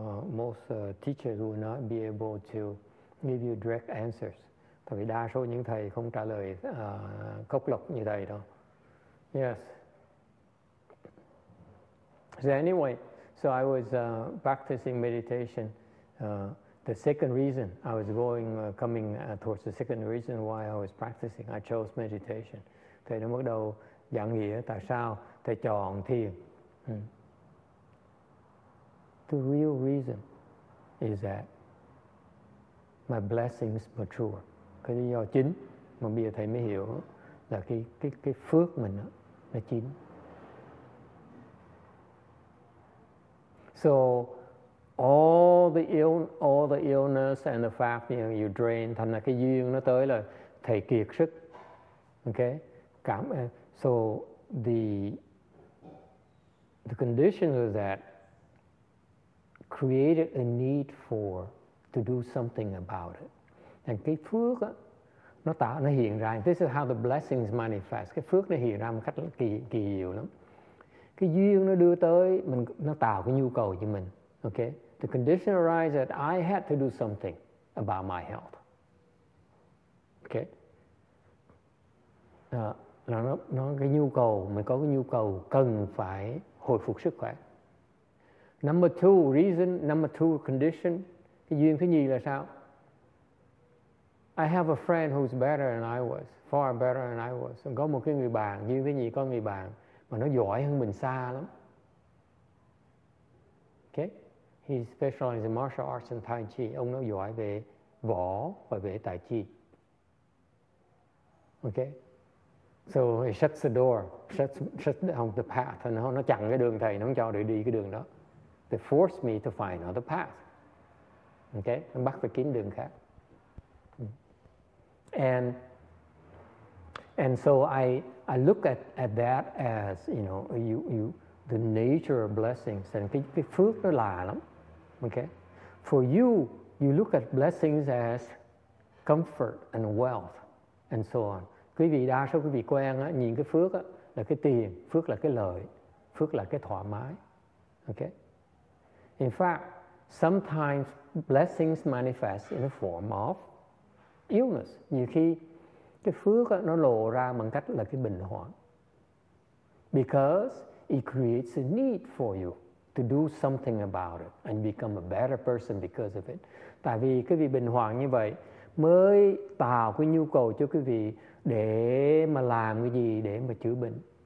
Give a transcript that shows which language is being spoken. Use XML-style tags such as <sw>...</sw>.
<en>most teachers will not be able to give you direct answers.</en> <vi>Tại vì đa số những thầy không trả lời cốc lốc như thầy đâu.</vi> <en>Yes. So anyway, so I was practicing meditation. The second reason I was coming towards the second reason why I was practicing, I chose meditation.</en> <vi>Thầy đã bắt đầu giảng nghĩa tại sao thầy chọn thiền.</vi> <en>The real reason is that my blessings mature.</en> <vi>Cái lý do chính mà bây giờ thầy mới hiểu là cái phước mình đó, nó chín.</vi> <en>So all the illness and the fact you know, you drain,</en> <vi>thành là cái duyên nó tới là thầy kiệt sức.</vi> <en>Okay? So the condition of that created a need for to do something about it.</en> <vi>And cái phước á, nó tạo, nó hiện ra.</vi> <en>This is how the blessings manifest.</en> <vi>Cái phước nó hiện ra một cách kỳ diệu lắm. Cái duyên nó đưa tới, mình nó tạo cái nhu cầu cho mình.</vi> <en>Okay? The condition arises that I had to do something about my health. Okay?</en> <vi>Nó cái nhu cầu, mình có cái nhu cầu cần phải hồi phục sức khỏe.</vi> <en>Number two reason, number two condition,</en> <vi>cái duyên thứ nhì là sao?</vi> <en>I have a friend who's better than I was, far better than I was.</en> <vi>Có một cái người bạn, duyên thứ nhì có người bạn mà nó giỏi hơn mình xa lắm.</vi> <en>Okay? He specializes in martial arts and tai chi.</en> <vi>Ông nó giỏi về võ và về tai chi.</vi> <en>Okay? So he shuts the door, shuts down the path.</en> <vi>Nó chặn cái đường thầy, nó không cho để đi cái đường đó.</vi> <en>They force me to find another path. Okay?</en> <vi>Nó bắt phải kiếm đường khác.</vi> <en>And so I look at that as you know you the nature of blessings and</en> <vi>cái phước nó lạ lắm.</vi> <en>Okay, for you look at blessings as comfort and wealth and so on.</en> <vi>Quý vị đa số quý vị quen á, nhìn cái phước á, là cái tiền, phước là cái lợi, phước là cái thoải mái.</vi> <en>Okay, in fact sometimes blessings manifest in the form of illness.</en> <vi>Nhiều khi cái phước đó, nó lộ ra bằng cách là cái bệnh hoạn.</vi> <en>Because it creates a need for you to do something about it and become a better person because of it.</en> <vi>Tại vì cái vị bệnh hoạn như vậy mới tạo cái nhu cầu cho quý vị để mà làm cái gì để mà chữa bệnh.</vi>